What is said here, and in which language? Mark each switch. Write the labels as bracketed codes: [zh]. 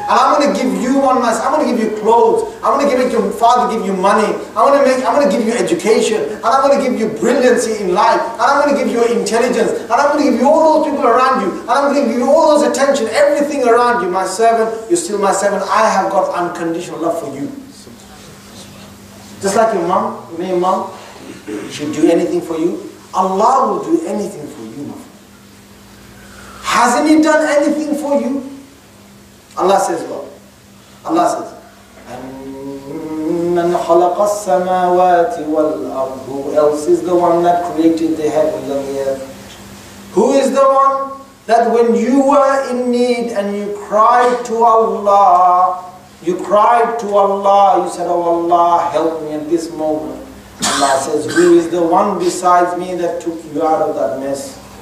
[en] And I'm going to give you one mess, I'm going to give you clothes, I'm going to give your father give you money, I'm going to give you education, and I'm going to give you brilliancy in life, and I'm going to give you intelligence, and I'm going to give you all those people around you, and I'm going to give you all those attention, everything around you, my servant, you're still my servant, I have got unconditional love for you. Just like your mom, me and mom, she'll do anything for you, Allah will do anything for you. Hasn't He done anything for you? Allah says what? Allah says, [ar] أَمَّنْ خَلَقَ السَّمَاوَاتِ وَالْأَرْضِ. [en] Who else is the one that created the heaven and the earth? Who is the one that when you were in need and you cried to Allah, you cried to Allah, you said, oh Allah, help me at this moment. Allah says, who is the one besides me that took you out of that mess?